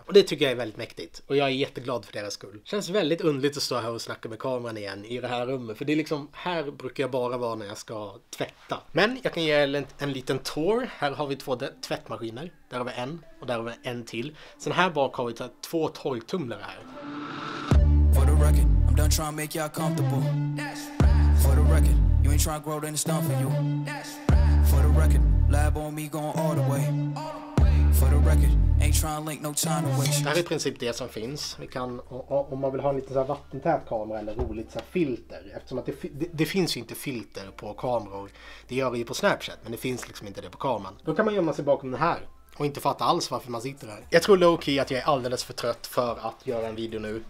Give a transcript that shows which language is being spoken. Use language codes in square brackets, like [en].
[sv] Och det tycker jag är väldigt mäktigt och jag är jätteglad för deras skull. Känns väldigt underligt att stå här och snacka med kameran igen i det här rummet, för det är liksom, här brukar jag bara vara när jag ska tvätta. Men jag kan ge en liten tour. Här har vi två tvättmaskiner, där har vi en och där har vi en till. Sen här bak har vi två torktumlare här. [en] For the record, I'm done trying to make y'all comfortable. For the record, you ain't trying to grow, then it's done for you. For the record, lab on me going all the way. For the record, ain't trying to link no time to waste. [sv] Det här är i princip det som finns. Vi kan, om man vill ha en lite så här vattentät kamera eller roligt så här filter. Eftersom att det finns ju inte filter på kameror. Det gör det ju på Snapchat, men det finns liksom inte det på kameran. Då kan man gömma sig bakom den här. Och inte fatta alls varför man sitter här. Jag tror low-key att jag är alldeles för trött för att göra en video nu.